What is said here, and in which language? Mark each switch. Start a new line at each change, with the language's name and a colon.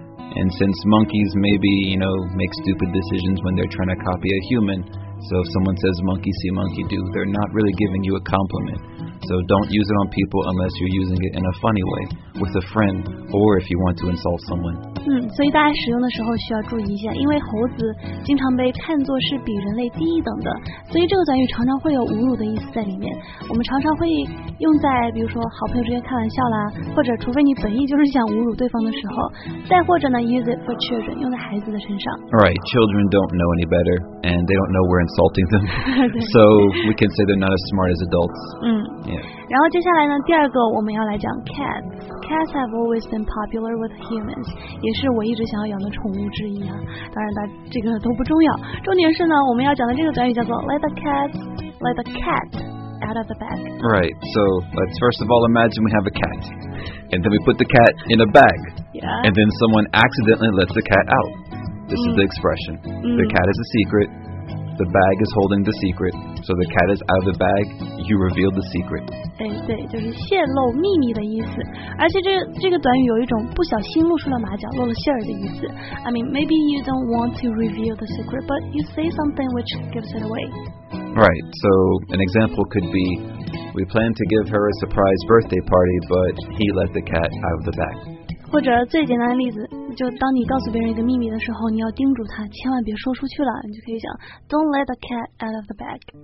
English: And since monkeys maybe, you know, make stupid decisions when they're trying to copy a human, so if someone says monkey see, monkey do, they're not really giving you a compliment. So don't use it on people unless you're using it in a funny way, with a friend, or if you want to insult someone.
Chinese: 所以大家使用的时候需要注意一下，因为猴子经常被看作是比人类低一等的，所以这个短语常常会有侮辱的意思在里面。我们常常会用在比如说好朋友之间开玩笑啦，或者除非你本意就是想侮辱对方的时候，再或者呢
English: use it for children，
Chinese: 用在孩子的身上。
English: Right, children don't know any better and they don't know we're insulting them. So we can say they're not as smart as adults.
Chinese: 然后接下来呢，第二个我们要来讲
English: cats have always been popular with humans，
Chinese: 也是我一直想要养的宠物之一啊。当然，这个都不重要。重点是呢，我们要讲的这个短语叫做
English: let the cat out of the bag. Right. So let's first of all imagine we have a cat, and then we put the cat in a bag. Yeah. And then someone accidentally lets the cat out. This is the expression. The cat is a secret. The bag is holding the secret. So the cat is out of the bag. You revealed the secret.
Chinese: 哎，对，就是泄露秘密的意思。而且这个短语有一种不小心露出了马脚、露了馅儿的意思。
English: I mean, maybe you don't want to reveal the secret, but you say something which gives it away. Right. So an example could be, we plan to give her a surprise birthday party, but he let the cat out of the bag.
Chinese: 或者最简单的例子，就当你告诉别人一个秘密的时候，你要叮嘱他千万别说出去了。你就可以讲 ，
English: Don't let the cat out of the bag.